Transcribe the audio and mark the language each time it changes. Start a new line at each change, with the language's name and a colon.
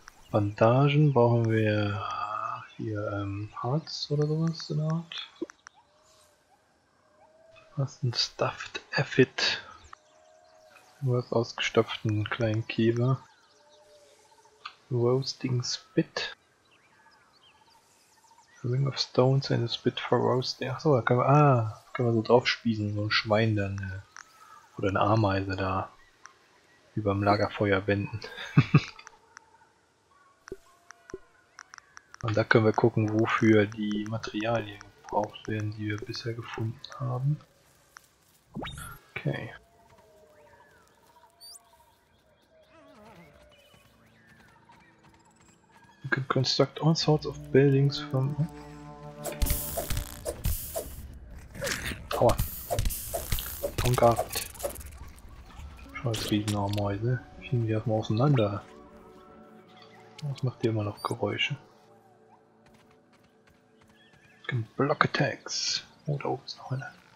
German: Bandagen brauchen wir. Hier Harz oder sowas in der Art. Was ein Stuffed Affid. Was ausgestopften kleinen Käfer.
English: Roasting Spit. Ring of Stones and a Spit for Roasting.
German: Achso, da können wir. Ah, können wir so drauf spießen, so ein Schwein dann. Oder eine Ameise da. Über dem Lagerfeuer wenden. Und da können wir gucken, wofür die Materialien gebraucht werden, die wir bisher gefunden haben. Okay.
English: We can construct all sorts of buildings from...
German: Aua. Oh Gott. Scheiß Riesenameuse. Ich Leichen werfen wir auseinander. Was macht ihr immer noch Geräusche? Block Attacks. Oh, da oben ist noch einer.